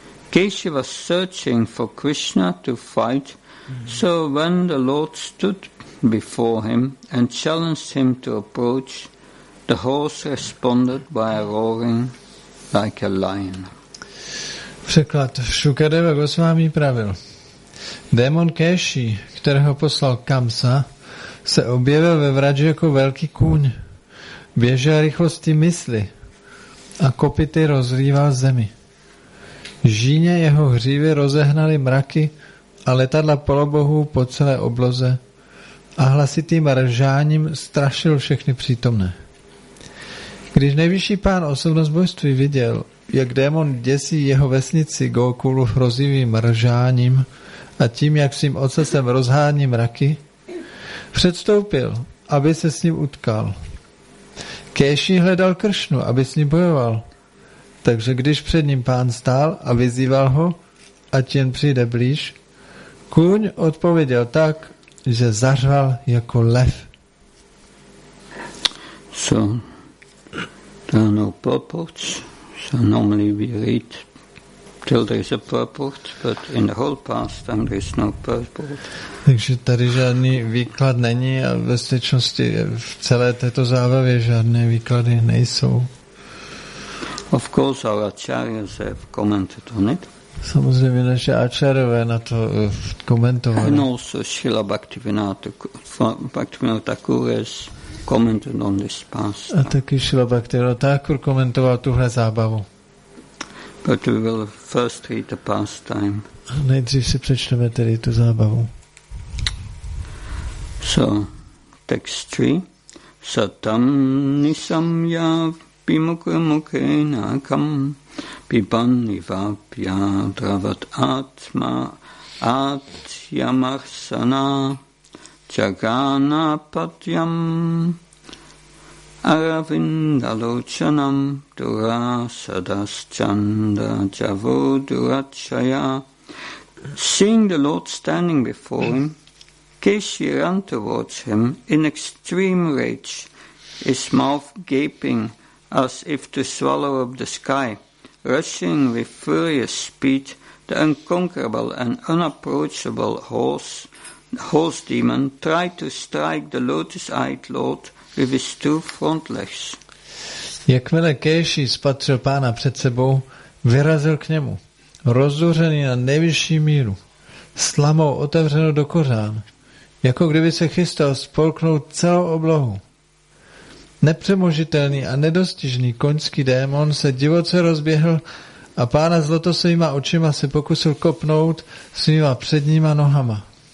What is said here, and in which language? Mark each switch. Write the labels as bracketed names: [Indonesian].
[English] Kesi was searching for Krishna to fight, so when the Lord stood before him and challenged him to approach, the horse responded by roaring like a lion. [Czech] Překlad. Shukadeva Goswami pravil. Démon Kesi, kterého poslal Kamsa, se objevil ve Vraji jako velký kůň. Běžel rychlosti mysli a kopity rozrýval zemi. Žíně jeho hřívy rozehnaly mraky a letadla polobohů po celé obloze a hlasitým ržáním strašil všechny přítomné. Když nejvyšší pán osobnost božství viděl, jak démon děsí jeho vesnici Gokulu hrozivým ržáním a tím, jak svým ocasem rozhání mraky, předstoupil, aby se s ním utkal. Kesi hledal Kršnu, aby s ním bojoval. Takže když před ním pán stál a vyzýval ho, ať jen přijde blíž, kůň odpověděl tak, že zařval jako lev. [English] So, there are no purports. So normally we read till there is a purport, but in the whole past time there is no purport. [Czech] Takže tady žádný výklad není a ve skutečnosti v celé této zábavě žádné výklady nejsou. [English] Of course our acharyas have commented on it. [Czech] Samozřejmě naše acharyové na to komentovali. [English] And also Srila Bhaktivinoda Thakura has commented on this past. [Czech] A taky Srila Bhaktivinoda Thakura komentoval tuhle zábavu. [English] But we will first read the pastime. [Czech] Nejdřív si přečteme tedy tu zábavu. [English] So, text 3. [Sanskrit] Satam nisam yav bimukhe mukhe nakam piban nivapya dravat atma atyamarsana jaganapatyam aravindalochanam durasadaschanda javoduachaya. [English] Seeing the Lord standing before him, Keshi ran towards him in extreme rage, his mouth gaping as if to swallow up the sky. Rushing with furious speed, the unconquerable and unapproachable horse demon tried to strike the lotus-eyed Lord with his two front legs. [Czech] Jakmile Keshi spatřil pána před sebou, vyrazil k němu, rozduřený na nejvyšší míru, s tlamou otevřenou do kořán, jako kdyby se chystal spolknout celou oblohu. Nepřemožitelný a nedostižný koňský démon se divoce rozběhl a pána s lotosovýma očima se pokusil kopnout svýma předníma nohama.